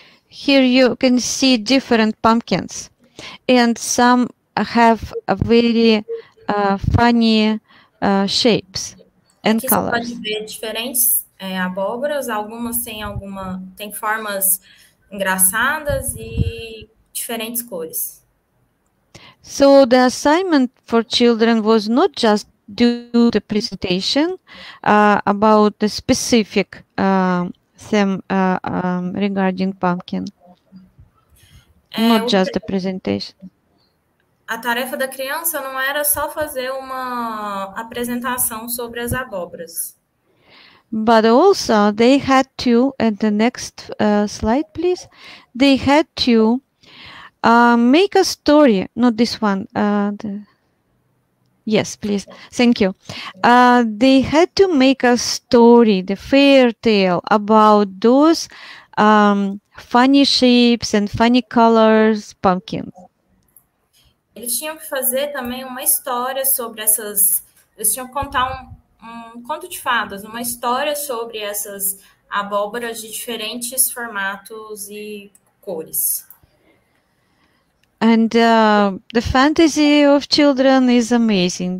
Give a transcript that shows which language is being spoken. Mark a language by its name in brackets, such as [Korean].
[English] Here you can see different pumpkins, and some have a very funny shapes and colors. [Portuguese] Aqui você pode ver diferentes abóboras, algumas têm formas engraçadas e diferentes cores. [English] So the assignment for children was not just do the presentation about the specific theme regarding pumpkin. Not just the presentation. [Portuguese] A tarefa da criança não era só fazer uma apresentação sobre as abóboras. [English] But also they had to, and the next slide please, they had to make a story, not this one. Yes, please. Thank you. They had to make a story, the fairy tale, about those funny shapes and funny colors pumpkins. [Portuguese] Eles tinham que fazer também uma história sobre essas. Eles tinham que contar um conto de fadas, uma história sobre essas abóboras de diferentes formatos e cores. [English] And the fantasy of children is amazing.